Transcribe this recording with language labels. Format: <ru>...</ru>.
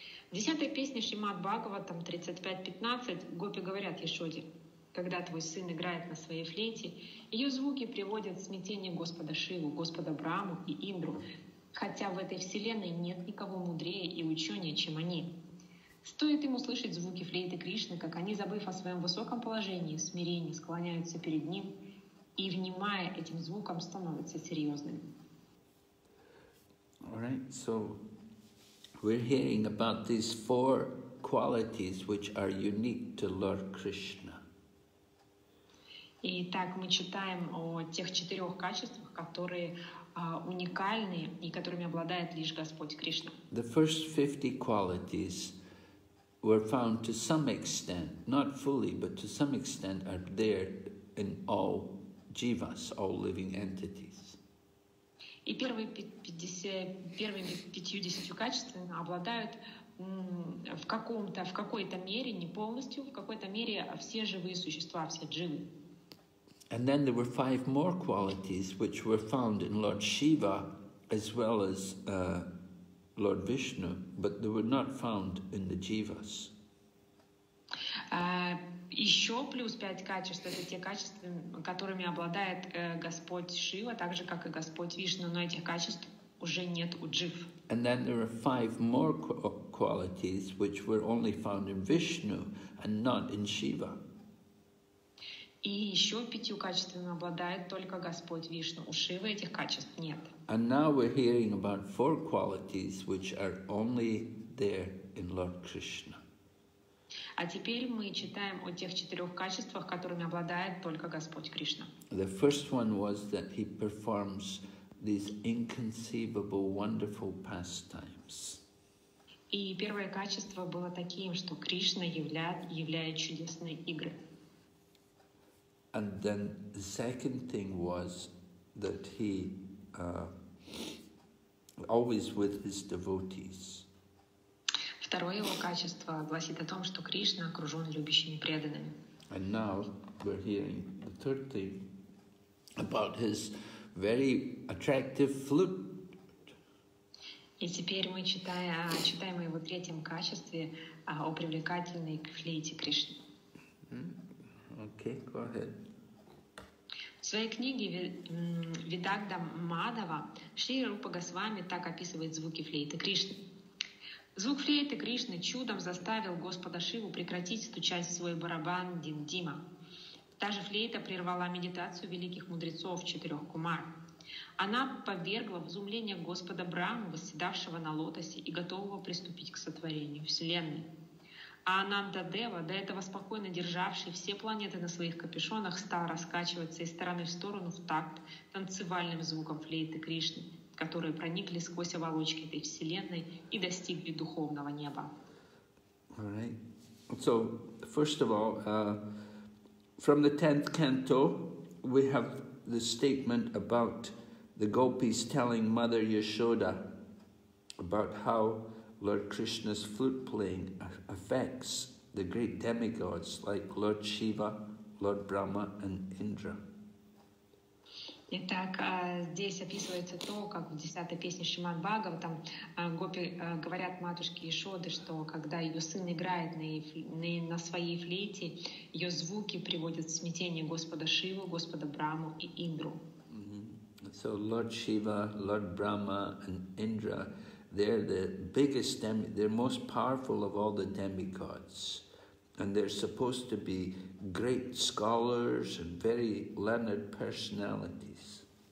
<ru>В 10-й песне Шримад-Бхагаватам 35.15 гопи говорят Яшоде: когда твой сын играет на своей флейте, ее звуки приводят в смятение Господа Шиву, Господа Брахму и Индру, хотя в этой вселенной нет никого мудрее и ученее, чем они. Стоит им услышать звуки флейты Кришны, как они, забыв о своем высоком положении, в смирении склоняются перед ним и, внимая этим звукам, становятся серьезными.</ru> <en>All right, so we're hearing about these four qualities which are unique to Lord Krishna.</en> <ru>Итак, мы читаем о тех четырех качествах, которые уникальны и которыми обладает лишь Господь Кришна.</ru> <en>The first 50 qualities were found to some extent, not fully, but to some extent are there in all jivas, all living entities.</en> <ru>И первыми 50 качествами обладают в какой-то мере все живые существа, все дживы.</ru> <en>And then there were five more qualities which were found in Lord Shiva as well as Lord Vishnu, but they were not found in the jivas.</en> <ru>Еще плюс пять качеств — это те качества, которыми обладает Господь Шива, так же как и Господь Вишну, но этих качеств уже нет у джив.</ru> <en>And then there are five more qualities which were only found in Vishnu and not in Shiva.</en> <ru>И еще пятью качествами обладает только Господь Вишну. У Шивы этих качеств нет.</ru> <en>And now we're hearing about four qualities which are only there in Lord Krishna.</en> <ru>А теперь мы читаем о тех четырех качествах, которыми обладает только Господь Кришна.</ru> <en>The first one was that he performs these inconceivable wonderful pastimes.</en> <ru>И первое качество было таким, что Кришна являет чудесные игры.</ru> <en>And then the second thing was that he always with his devotees.</en> <ru>Второе его качество гласит о том, что Кришна окружен любящими преданными.</ru> <en>And now we're hearing the third thing about his very attractive flute.</en> <ru>И теперь мы читаем о его третьем качестве, о привлекательной флейте Кришны.</ru> <en>Okay, go ahead.</en> <ru>В своей книге Видагда Мадава Шри Рупа Госвами так описывает звуки флейты Кришны. Звук флейты Кришны чудом заставил Господа Шиву прекратить стучать в свой барабан Диндима. Та же флейта прервала медитацию великих мудрецов четырех кумар. Она повергла в изумление Господа Брахму, восседавшего на лотосе и готового приступить к сотворению Вселенной. А Ананда Дева, до этого спокойно державший все планеты на своих капюшонах, стал раскачиваться из стороны в сторону в такт танцевальным звуком флейты Кришны, которые проникли сквозь оболочки этой вселенной и достигли духовного неба.</ru> <en>All right. So, first of all, from the 10th canto, we have the statement about the gopis telling Mother Yashoda about how Lord Krishna's flute playing affects the great demigods like Lord Shiva, Lord Brahma, and Indra.</en> <ru>Итак, здесь описывается то, как в 10-й песне Шримад Бхагава, там гопи говорят матушке Ишоды, что когда ее сын играет на своей флейте, ее звуки приводят в смятение Господа Шиву, Господа Брахму и Индру.</ru> <en>So Lord Shiva, Lord Brahma, and Indra, they're the biggest, they're most powerful of all the demigods. And they're supposed to be great scholars and very learned personalities.</en>